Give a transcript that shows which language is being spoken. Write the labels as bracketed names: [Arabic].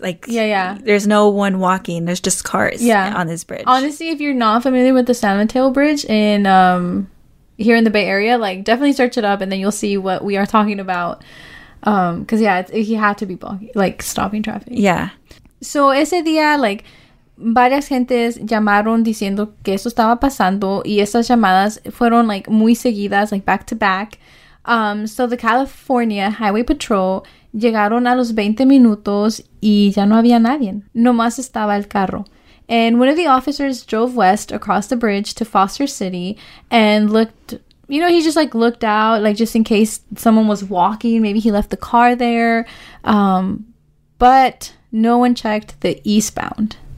[English] Like, yeah. There's no one walking. There's just cars on this bridge. Honestly, if you're not familiar with the San Mateo Bridge in here in the Bay Area, like, definitely search it up and then you'll see what we are talking about. Because, he had to be blocking, like, stopping traffic. Yeah. [Spanish] So, ese día, like, varias gentes llamaron diciendo que eso estaba pasando. Y esas llamadas fueron, like, muy seguidas, like, [English] back to back. [Spanish] So, the California Highway Patrol llegaron a los 20 minutos y ya no había nadie. Nomás estaba el carro. [English] And one of the officers drove west across the bridge to Foster City and looked... You know, he just, like, looked out, like, just in case someone was walking. Maybe he left the car there. But no one checked the eastbound.